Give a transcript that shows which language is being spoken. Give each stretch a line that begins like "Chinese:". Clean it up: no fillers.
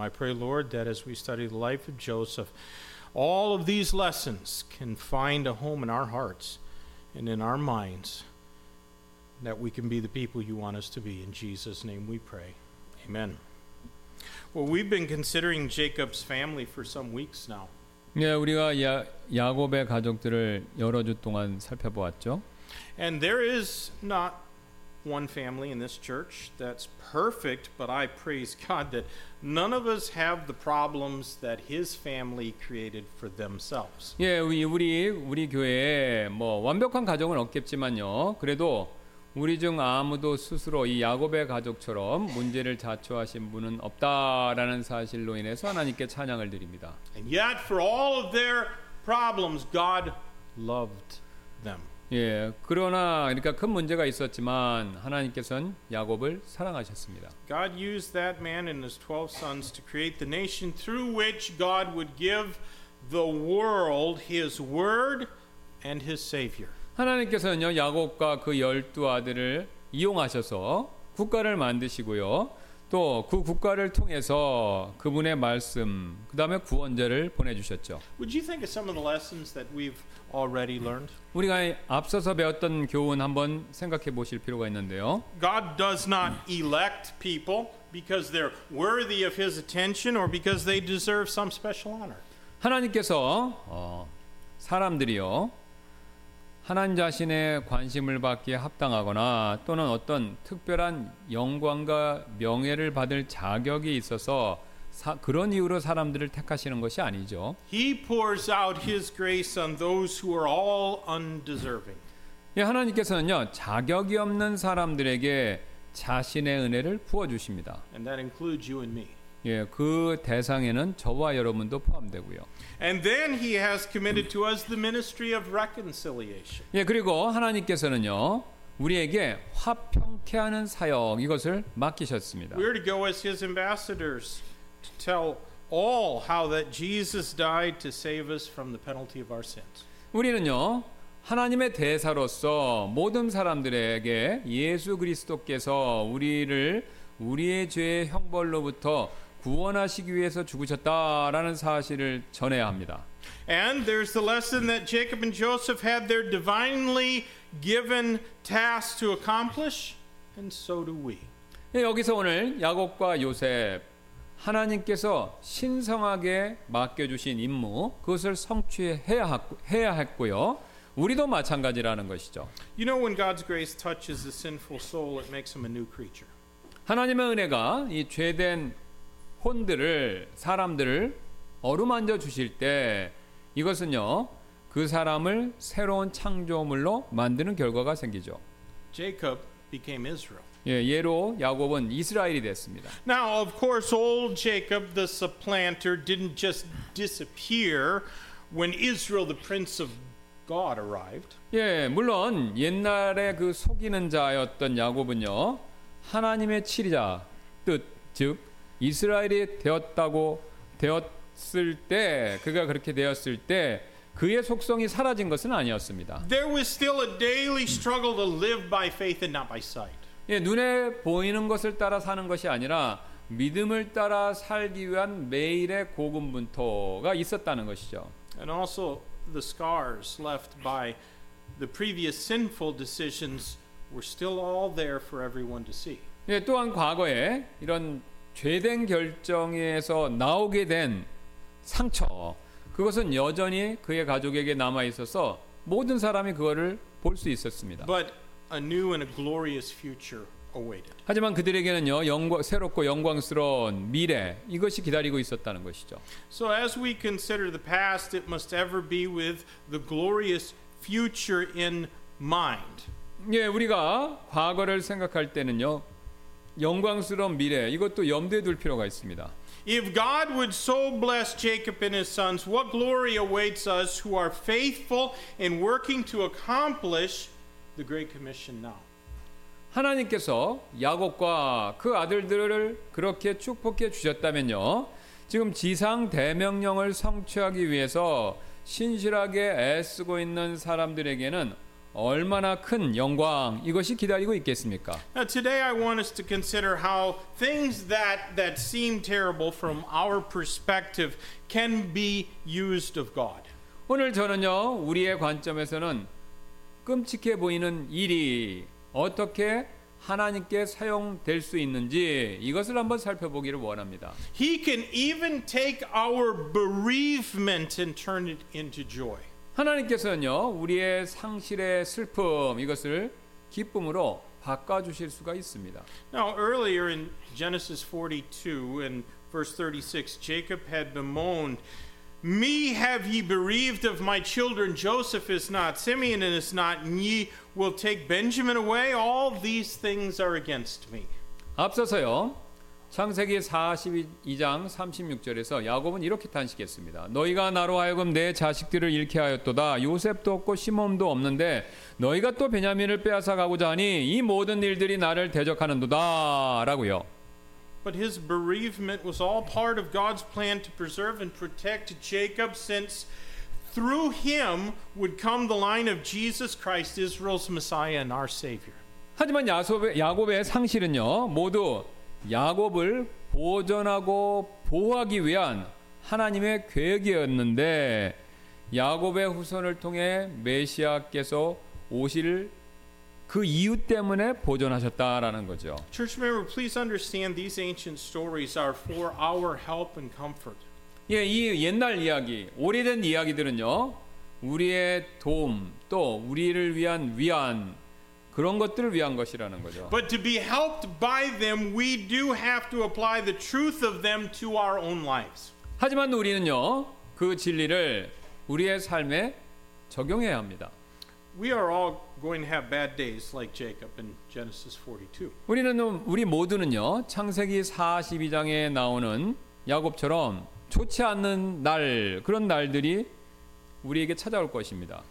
English: I pray, Lord, that as we study the life of Joseph, all of these lessons can find a home in our hearts and in our minds, that we can be the people you want us to be. In Jesus' name we pray. Amen. Well, we've been considering Jacob's family for some weeks now.
Korean: 네, 우리가 야곱의 가족들을 여러 주 동안 살펴보았죠.
English: And there is not one family in this church that's perfect, but I praise God that none of us have the problems that his family created for themselves.
Korean: 예, 우리 교회에 뭐 완벽한 가족은 없겠지만요. 그래도 우리 중 아무도 스스로 이 야곱의 가족처럼 문제를 자초하신 분은 없다라는 사실로 인해서 하나님께 찬양을 드립니다.
English: And yet for all of their problems, God loved them.
Korean: 예, 그러나 그러니까 큰 문제가 있었지만 하나님께서는 야곱을 사랑하셨습니다.
English: God used that man and his 12 sons to create the nation through which God would give the world his word and his savior.
Korean: 하나님께서는요 야곱과 그 열두 아들을 이용하셔서 국가를 만드시고요 또 그 국가를 통해서 그분의 말씀 그 다음에 구원자를 보내주셨죠.
English: Would you think of some of the lessons that we've already learned?
Korean: 우리가 앞서서 배웠던 교훈 한번 생각해 보실 필요가 있는데요.
English: God does not elect people because they're worthy of His attention or because they deserve some special honor.
Korean: 하나님께서 사람들이요. 하나님 자신의 관심을 받기에 합당하거나 또는 어떤 특별한 영광과 명예를 받을 자격이 있어서 그런 이유로 사람들을 택하시는 것이 아니죠.
English: He pours out his grace on those who are all undeserving.
Korean: 예, 하나님께서는요, 자격이 없는 사람들에게 자신의 은혜를 부어 주십니다.
English: And that includes you and me.
Korean: 예, 그 대상에는 저와 여러분도 포함되고요.
English: And then he has committed to us the ministry of reconciliation.
Korean: 예, 그리고 하나님께서는요, 우리에게 화평케 하는 사역 이것을 맡기셨습니다.
English: We're to go as his ambassadors to tell all how that Jesus died to save us from the penalty of our sins.
Korean: 우리는요, 하나님의 대사로서 모든 사람들에게 예수 그리스도께서 우리를 우리의 죄의 형벌로부터 구원하시기 위해서 죽으셨다라는 사실을 전해야 합니다.
English: And there's the lesson that Jacob and Joseph had their divinely given task to accomplish, and so do we.
Korean: 여기서 오늘 야곱과 요셉 하나님께서 신성하게 맡겨주신 임무 그것을 성취해야 했고요. 우리도 마찬가지라는 것이죠.
English: You know, when God's grace touches a sinful soul, it makes him a new creature.
Korean: 하나님의 은혜가 이 죄된 혼들을 사람들을 어루만져 주실 때 이것은요 그 사람을 새로운 창조물로 만드는 결과가 생기죠.
English: Jacob became Israel.
Korean: 예, 예로 야곱은 이스라엘이 됐습니다.
English: Now, of course, old Jacob, the supplanter, didn't just disappear when Israel, the prince of God arrived.
Korean: 예, 물론 옛날에 그 속이는 자였던 야곱은요 하나님의 칠이자 뜻 즉 이스라엘이 되었을 때 그가 그렇게 되었을 때 그의 속성이 사라진 것은 아니었습니다.
English: There was still a daily struggle to live by faith and not by sight.
Korean: 예, 눈에 보이는 것을 따라 사는 것이 아니라 믿음을 따라 살기 위한 매일의 고군분투가 있었다는 것이죠.
English: And also the scars left by the previous sinful decisions were still all there for everyone to see.
Korean: 예, 또한 과거에 이런 죄된 결정에서 나오게 된 상처 그것은 여전히 그의 가족에게 남아 있어서 모든 사람이 그거를 볼 수 있었습니다.
English: But a new and a glorious future awaited.
Korean: 하지만 그들에게는요 새롭고 영광스러운 미래 이것이 기다리고 있었다는 것이죠.
English: So as we consider the past, it must ever be with the glorious future in mind.
Korean: 예, 우리가 과거를 생각할 때는요. 영광스러운 미래 이것도 염두에 둘 필요가 있습니다.
English: If God would so bless Jacob and his sons, what glory awaits us who are faithful in working to accomplish the great commission now?
Korean: 하나님께서 야곱과 그 아들들을 그렇게 축복해 주셨다면요. 지금 지상 대명령을 성취하기 위해서 신실하게 애쓰고 있는 사람들에게는 얼마나 큰 영광 이것이 기다리고 있겠습니까?
English: Now today I want us to consider how things that seem terrible from our perspective can be used of God.
Korean: 오늘 저는요 우리의 관점에서는 끔찍해 보이는 일이 어떻게 하나님께 사용될 수 있는지 이것을 한번 살펴보기를 원합니다.
English: He can even take our bereavement and turn it into joy.
Korean: 하나님께서는요 우리의 상실의 슬픔 이것을 기쁨으로 바꿔주실 수가 있습니다.
English: Now earlier in Genesis 42 and verse 36, Jacob had bemoaned, "Me have ye bereaved of my children? Joseph is not, Simeon is not, and ye will take Benjamin away? All these things are against me."
Korean: 앞서서요 창세기 42장 36절에서 야곱은 이렇게 탄식했습니다. 너희가 나로 하여금 내 자식들을 잃게 하였도다. 요셉도 없고 시몬도 없는데 너희가 또 베냐민을 빼앗아 가고자 하니 이 모든 일들이 나를 대적하는도다 라고요.
English: But his bereavement was all part of God's plan to preserve and protect Jacob, since through him would come the line of Jesus Christ, Israel's Messiah and our Savior.
Korean: 하지만 야곱의 상실은요 모두 야곱을 보존하고 보호하기 위한 하나님의 계획이었는데 야곱의 후손을 통해 메시아께서 오실 그 이유 때문에 보존하셨다라는 거죠.
English: Church member, please understand these ancient stories are for our help and comfort.
Korean: 예, 이 옛날 이야기, 오래된 이야기들은요. 우리의 도움 또 우리를 위한 위안 그런 것들을 위한 것이라는 거죠.
English: But to be helped by them, we do have to apply the truth of them to our own lives.
Korean: 하지만 우리는요, 그 진리를 우리의 삶에 적용해야 합니다.
English: We are all going to have bad days like Jacob in Genesis 42.
Korean: 우리 모두는요, 창세기 42장에 나오는 야곱처럼 좋지 않는 날, 그런 날들이 우리에게 찾아올 것입니다.